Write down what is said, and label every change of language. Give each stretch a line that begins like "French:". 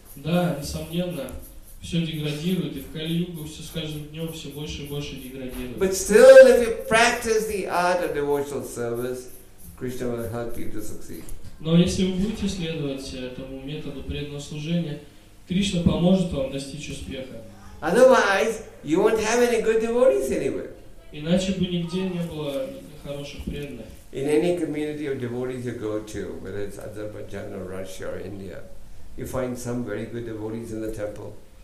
Russian: Да, несомненно, все деградирует, и в Кали-югу все с каждым днем все больше и больше деградирует.
English: But still, if you practice the art of devotional service, Krishna will help you to succeed.
Russian: Но если вы будете следовать этому методу преданного служения, Кришна поможет вам достичь успеха.
English: Otherwise, you won't have any good devotees anywhere.
Russian: Иначе бы нигде не было хороших преданных.
English: In any community of devotees you go to, whether it's Azerbaijan or Russia or India, you find some very good devotees in the temple.